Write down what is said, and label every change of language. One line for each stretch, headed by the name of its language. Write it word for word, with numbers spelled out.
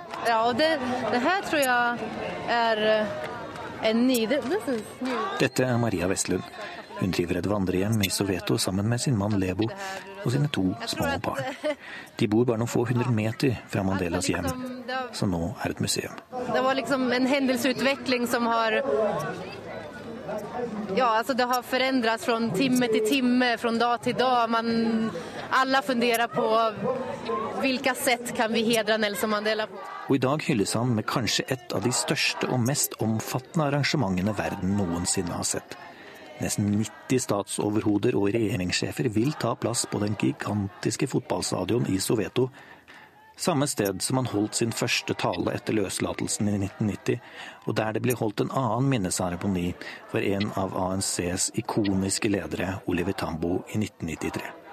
Norwegian: Ja, og det, det her tror jeg er en ny. Dette er Maria Vestlund. Hun driver et vandrehjem i Soweto sammen med sin mann Lebo og sine to små barn. De bor bare noen få hundre meter fra Mandelas hjem, som nå er et museum. Det var liksom en hendelsesutvikling som har ja, altså det
Swedish: har förändrats från timme till timme, från dag till dag. Man alla funderar på vilka sätt kan vi hedra Nelson Mandela på. Och idag hylles han med kanske ett av de största och mest omfattande arrangemangen världen någonsin har sett.
Norwegian: Nesten nitti statsoverhoder og regjeringssjefer vil ta plass på den gigantiske fotballstadion i Soweto, samme sted som han holdt sin første tale etter løslatelsen i nitten nitti, og der det ble holdt en annen minneseremoni for en av A N C's ikoniske ledere, Oliver Tambo, i nitten nittitre.